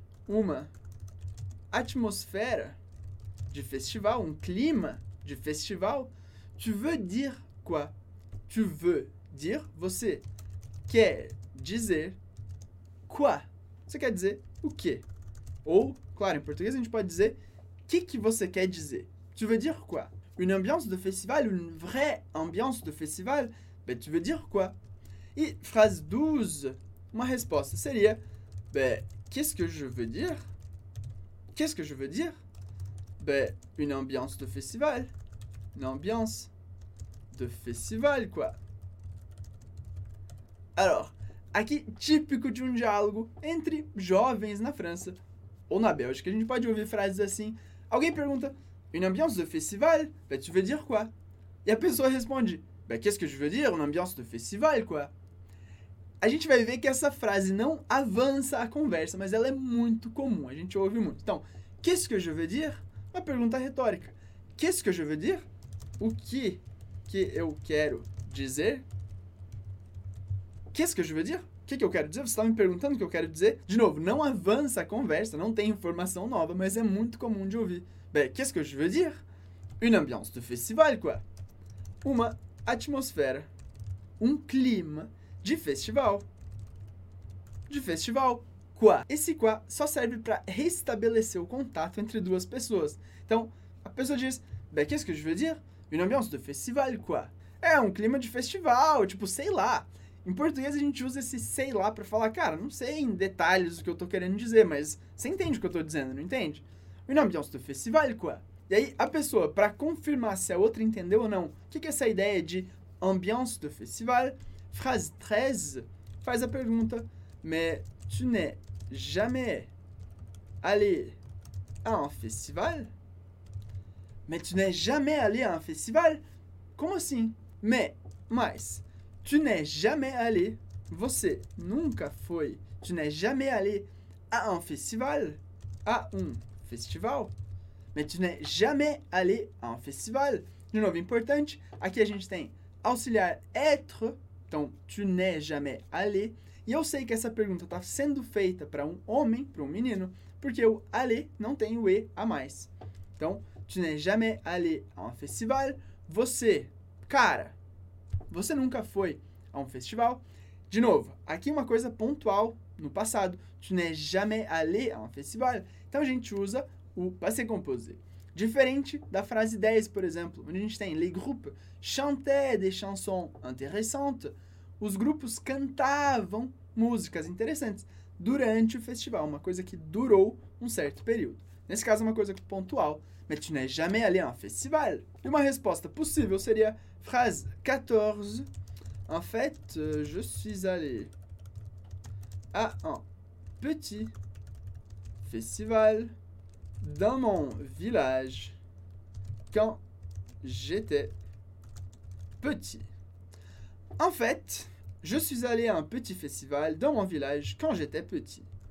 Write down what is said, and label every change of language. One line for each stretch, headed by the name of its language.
Portuguese: Uma atmosfera de festival, um clima de festival?
French: Tu veux dire quoi? Tu veux dire,
Portuguese: você quer dizer
French: quoi?
Portuguese: Você quer dizer o quê? Ou, claro, em português a gente pode dizer que você quer dizer?
French: Tu veux dire quoi? Une ambiance de festival, une vraie ambiance de festival? Ben, tu veux dire quoi?
Portuguese: E phrase 12, uma resposta seria
French: ben, qu'est-ce que je veux dire? Qu'est-ce que je veux dire? Ben, une ambiance de festival. Une ambiance de festival, quoi.
Portuguese: Alors, aqui, típico de um diálogo entre jovens na França ou na Bélgica. A gente pode ouvir frases assim. Alguém pergunta,
French: une ambiance de festival? Ben, tu veux dire quoi?
Portuguese: E a pessoa responde,
French: ben, qu'est-ce que je veux dire? Une ambiance de festival, quoi?
Portuguese: A gente vai ver que essa frase não avança a conversa, mas ela é muito comum. A gente ouve muito.
French: Então, qu'est-ce que je veux dire?
Portuguese: Uma pergunta retórica.
French: Qu'est-ce que je veux dire?
Portuguese: O que eu quero dizer?
French: Qu'est-ce que je veux dire?
Portuguese: O que, que eu quero dizer? Você está me perguntando o que eu quero dizer? De novo, não avança a conversa, não tem informação nova, mas é muito comum de ouvir.
French: Ben, qu'est-ce que je veux dire? Une ambiance de festival, quoi?
Portuguese: Uma atmosfera, um clima de festival.
French: De festival, quoi?
Portuguese: Esse quoi só serve para restabelecer o contato entre duas pessoas. Então, a pessoa diz,
French: ben, qu'est-ce que je veux dire? Une ambiance de festival, quoi?
Portuguese: É um clima de festival, tipo, sei lá. Em português a gente usa esse sei lá para falar, cara, não sei em detalhes o que eu tô querendo dizer, mas você entende o que eu tô dizendo, não entende?
French: Une ambiance de festival, quoi?
Portuguese: E aí a pessoa, para confirmar se a outra entendeu ou não, o que, que é essa ideia de ambiance de festival, phrase 13, faz a pergunta,
French: mais tu n'es jamais allé à un festival? Mais tu n'es jamais allé à un festival?
Portuguese: Como assim?
French: Mais... Tu n'es jamais allé,
Portuguese: você nunca foi,
French: tu n'es jamais allé à un festival, à un festival, mais tu n'es jamais allé à un festival.
Portuguese: De novo, importante, aqui a gente tem auxiliar être, então
French: tu n'es jamais allé,
Portuguese: e eu sei que essa pergunta está sendo feita para um homem, para um menino, porque o allé não tem o e a mais. Então,
French: tu n'es jamais allé à un festival,
Portuguese: você, cara, você nunca foi a um festival. De novo, aqui uma coisa pontual no passado.
French: Tu n'es jamais allé à un festival.
Portuguese: Então a gente usa o passé composé. Diferente da frase 10, por exemplo, onde a gente tem
French: les groupes chantaient des chansons intéressantes.
Portuguese: os grupos cantavam músicas interessantes durante o festival, uma coisa que durou um certo período. Nesse caso, uma coisa pontual.
French: Mais tu n'es jamais allé en festival?
Portuguese: E uma resposta possível seria phrase 14.
French: En fait, je suis allé à un petit festival dans mon village quand j'étais petit. En fait, je suis allé à un petit festival dans mon village quand j'étais petit.